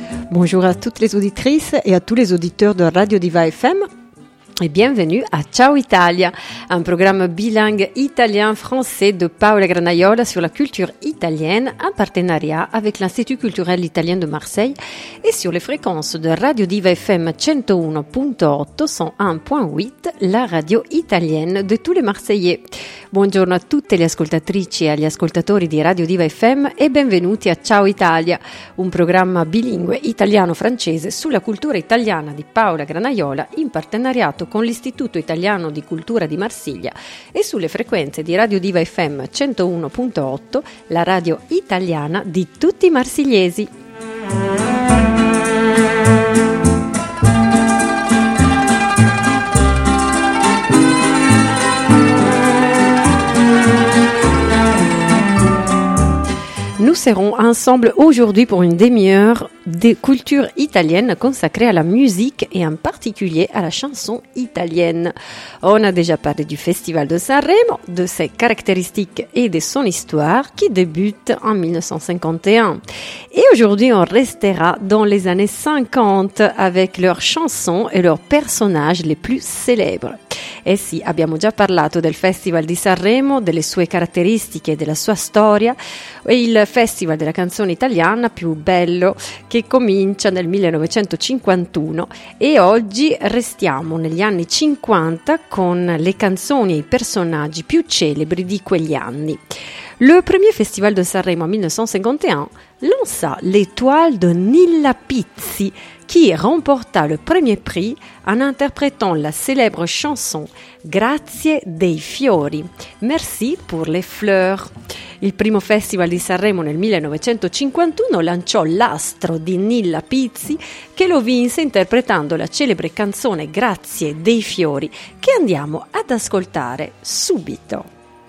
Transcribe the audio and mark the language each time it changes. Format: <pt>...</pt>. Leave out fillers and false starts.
<fr>Bonjour à toutes les auditrices et à tous les auditeurs de Radio Diva FM et bienvenue à Ciao Italia, un programme bilingue italien-français de Paola Granaiola sur la culture italienne en partenariat avec l'Institut culturel italien de Marseille et sur les fréquences de Radio Diva FM 101.8, 101.8, la radio italienne de tous les Marseillais.</fr> <it>Buongiorno a tutte le ascoltatrici e agli ascoltatori di Radio Diva FM e benvenuti a Ciao Italia, un programma bilingue italiano-francese sulla cultura italiana di Paola Granaiola in partenariato con l'Istituto Italiano di Cultura di Marsiglia e sulle frequenze di Radio Diva FM 101.8, la radio italiana di tutti i marsigliesi.</it> <fr>Nous serons ensemble aujourd'hui pour une demi-heure de culture italienne consacrée à la musique et en particulier à la chanson italienne. On a déjà parlé du Festival de Sanremo, de ses caractéristiques et de son histoire qui débute en 1951. Et aujourd'hui, on restera dans les années 50 avec leurs chansons et leurs personnages les plus célèbres.</fr> <it>Eh sì, abbiamo già parlato del Festival di Sanremo, delle sue caratteristiche, della sua storia, il Festival della canzone italiana più bello che comincia nel 1951 e oggi restiamo negli anni 50 con le canzoni e i personaggi più celebri di quegli anni.</it> <fr>Le premier Festival de Sanremo en 1951 lança l'étoile de Nilla Pizzi, qui remporta le premier prix en interprétant la célèbre chanson Grazie dei fiori, merci pour les fleurs.</fr> <it>Il primo Festival di Sanremo nel 1951 lanciò l'astro di Nilla Pizzi, che lo vinse interpretando la celebre canzone Grazie dei fiori, che andiamo ad ascoltare subito.</it>